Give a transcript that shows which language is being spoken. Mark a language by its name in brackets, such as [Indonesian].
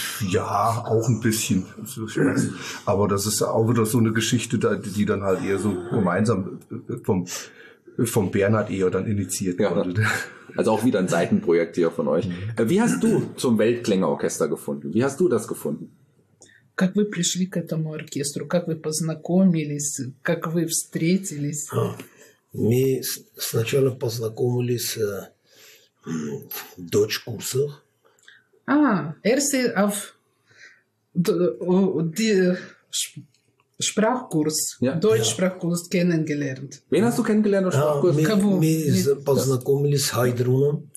[German] Ja, auch ein bisschen. Aber das ist auch wieder so eine Geschichte, die dann halt eher so gemeinsam vom Bernhard eher dann initiiert wurde. Also auch wieder ein Seitenprojekt hier von euch. Wie hast du zum Weltklängeorchester gefunden? Wie hast du das gefunden? [Russian] Как вы пришли к этому оркестру? Как вы познакомились? Как вы встретились? Мы сначала познакомились дочь курса. [German] А, erste auf die Sprachkurs, Deutschsprachkurs kennengelernt. Wen hast du kennengelernt auf Sprachkurs? Wir [Russian] познакомились с Хайдруном.